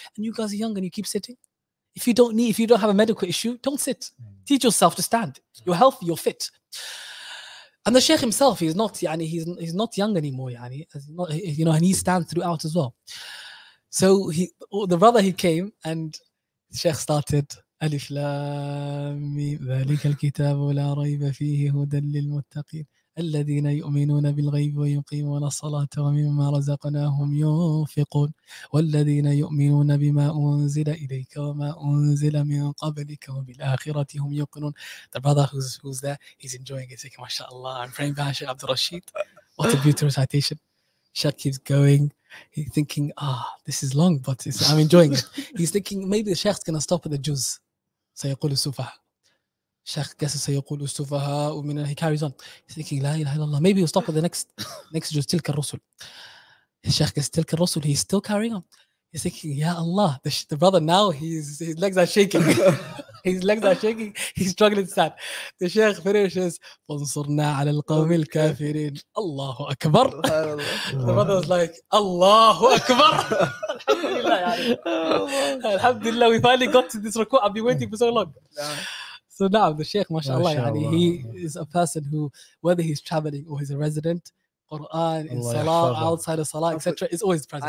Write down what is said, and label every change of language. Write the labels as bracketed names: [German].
[English] And you guys are young and you keep sitting. If you don't need, if you don't have a medical issue, don't sit. Teach yourself to stand. You're healthy, you're fit. And the Sheikh himself, he's not, yani, he's not young anymore, yani, he's not, you know, and he stands throughout as well. So the brother, he came and the Sheikh started. Alif Lam Mim. [Arabic] ذلك الكتاب لا ريب فيه هدى للمتقين الذين يؤمنون بالغيب ويقيمون الصلاة ومما رزقناهم ينفقون والذين يؤمنون بما أنزل إليك وما أنزل من قبلك وبالآخرة هم يوقنون. [English] The brother who's there, he's enjoying it. MashaAllah, I'm praying by Sheikh Abdul Rashid. What a beautiful recitation. Sheikh keeps going. He's thinking, this is long, but I'm enjoying it. He's thinking, maybe the Sheikh's going to stop with the juz. [Arabic] سيقول السفهاء. [English] Sheikh guesses, [Arabic] سيقول السفهاء. [English] He carries on. He's thinking, [Arabic] لا إله إلا الله. [English] Maybe he'll stop with the next juz, [Arabic] تلك الرسل. [English] Sheikh gets تلك الرسل. He's still carrying on. He's thinking, [Arabic] يا الله. [English] The brother now, his legs are shaking. His legs are shaking. He's struggling to stand. The Sheikh finishes. [Arabic] فانصرنا على القوم الكافرين. الله أكبر. [English] The brother was like, [Arabic] الله أكبر. [English] Alhamdulillah, we finally got to this record. I've been waiting for so long. So now the Sheikh, mashallah, yani, he is a person who, whether he's traveling or he's a resident, Quran, in Salah, outside of Salah, etc., is always present.